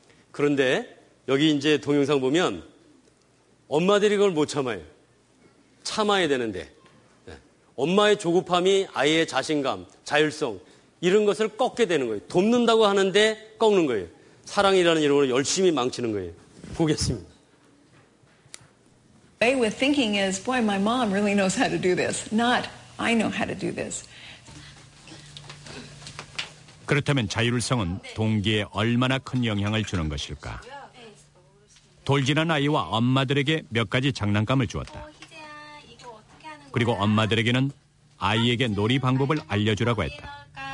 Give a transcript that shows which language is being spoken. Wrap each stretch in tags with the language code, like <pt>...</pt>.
<ko>그런데 여기 이제 동영상 보면 엄마들이 그걸 못 참아요. 참아야 되는데 엄마의 조급함이 아이의 자신감, 자율성 이런 것을 꺾게 되는 거예요. 돕는다고 하는데 꺾는 거예요. 사랑이라는 이름으로 열심히 망치는 거예요. 보겠습니다.</ko> <en>Way with thinking is, boy, my mom really knows how to do this. Not, I know how to do this.</en> <ko>그렇다면 자율성은 동기에 얼마나 큰 영향을 주는 것일까? 돌진한 아이와 엄마들에게 몇 가지 장난감을 주었다. 그리고 엄마들에게는 아이에게 놀이 방법을 알려주라고 했다.</ko>